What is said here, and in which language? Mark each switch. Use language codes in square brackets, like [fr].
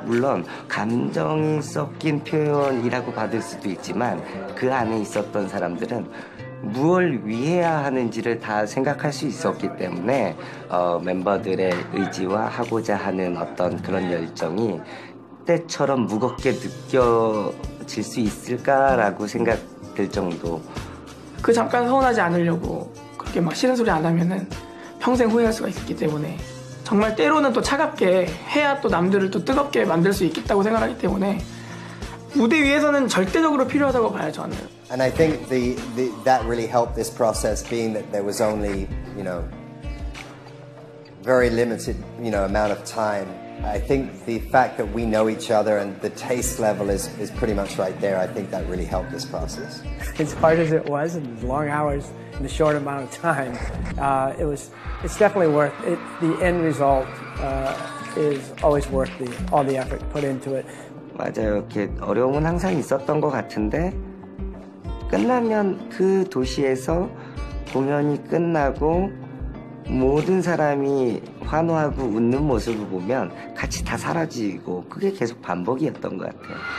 [ko] 물론 감정이 섞인 표현이라고 받을 수도 있지만 그 안에 있었던 사람들은 무얼 위해야 하는지를 다 생각할 수 있었기 때문에 멤버들의 의지와 하고자 하는 어떤 그런 열정이 때처럼 무겁게 느껴질 수 있을까라고 생각될 정도. 그 잠깐 서운하지 않으려고 그렇게 막 싫은 소리 안 하면은 평생 후회할 수가 있기 때문에 정말 때로는 또 차갑게 해야 또 남들을 또 뜨겁게 만들 수 있겠다고 생각하기 때문에 무대 위에서는 절대적으로 필요하다고 봐요, 저는. [en] And I think that really helped this process being that there was only, you know, very limited, you know, amount of time. I think the fact that we know each other and the taste level is pretty much right there, I think that really helped this process. As hard as it was and the long hours and the short amount of time, it's definitely worth it. The end result is always worth all the effort put into it. [ko] 맞아요. 이렇게 어려움은 항상 있었던 것 같은데 끝나면 그 도시에서 공연이 끝나고 모든 사람이 환호하고 웃는 모습을 보면 같이 다 사라지고 그게 계속 반복이었던 것 같아요.